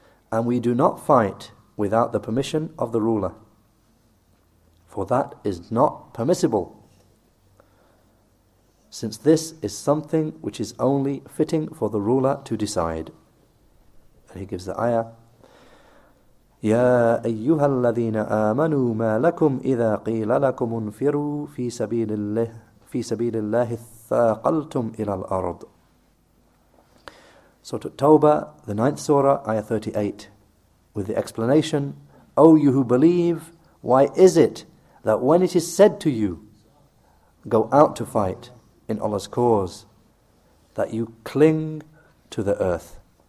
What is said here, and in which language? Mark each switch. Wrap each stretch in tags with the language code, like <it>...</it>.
<en>And we do not fight without the permission of the ruler. For that is not permissible, since this is something which is only fitting for the ruler to decide. And he gives the ayah,</en> <ar>يا أيها الذين آمنوا ما لكم إذا قيل لكم انفروا في سبيل الله ثاقلتم إلى الأرض.</ar> <en>So to Tawbah, the 9th surah, ayah 38, with the explanation, O you who believe, why is it that when it is said to you, go out to fight in Allah's cause, that you cling to the earth?</en>